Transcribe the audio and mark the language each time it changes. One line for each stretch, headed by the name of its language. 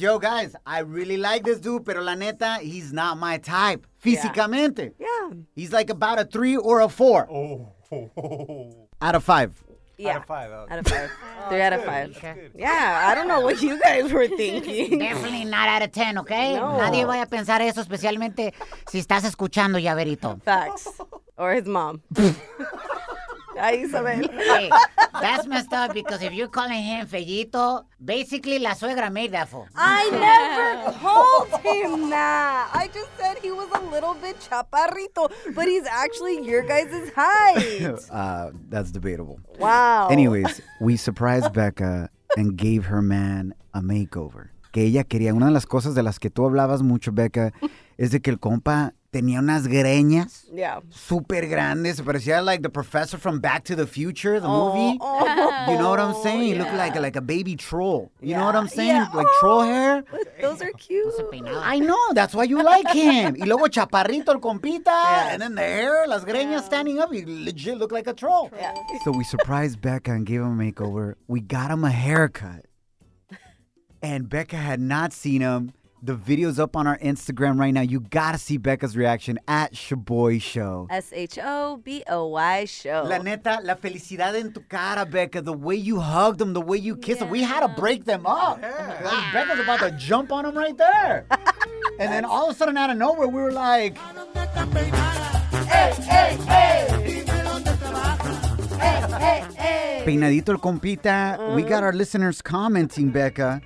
English: Yo, guys, I really like this dude,
Spanish: pero la neta,
English: he's not my type. Físicamente. Yeah. Yeah. He's like about a 3 or a 4. Oh. Out of 5. Yeah. Out of 5. Okay. Out of 5. Oh, 3 out of 5. Good. Yeah, I don't know what you guys were thinking. Definitely not out of 10, okay? No.
Spanish: Nadie vaya a pensar eso, especialmente si estás escuchando, llaverito.
English: Facts. Or his mom. Ay, Isabel. Hey, that's messed up because if you're calling him Fellito, basically
Spanish: la suegra
English: made that fool. I never called him that. I just said he was a little bit chaparrito, but he's actually your guys' height. That's debatable. Wow. Anyways, we surprised Becca and gave her man a makeover.
Spanish: Que ella quería. Una de las cosas de las que tú hablabas mucho, Becca, es de que el compa tenía unas greñas super grandes. Parecía
English: like the professor from Back to the Future, the movie. Oh, you know what I'm saying? Yeah. He looked like a baby troll. You know what I'm saying? Yeah. Like troll hair. Those are cute. I know. That's why you like him.
Spanish: Y luego chaparrito el compita.
English: Yes. And then the hair,
Spanish: las greñas
English: standing up. He legit looked like a troll. Yeah. So we surprised Becca and gave him a makeover. We got him a haircut. And Becca had not seen him. The video's up on our Instagram right now. You gotta see Becca's reaction at Shaboy Show. S-H-O-B-O-Y Show.
Spanish: La neta, la felicidad en tu cara, Becca.
English: The way you hugged them, the way you kissed them. We had to break them up. Yeah. Yeah. Becca's about to jump on them right there. And then all of a sudden, out of nowhere, we were like, hey, hey, hey.
Spanish: Peinadito el compita.
English: We got our listeners commenting, Becca.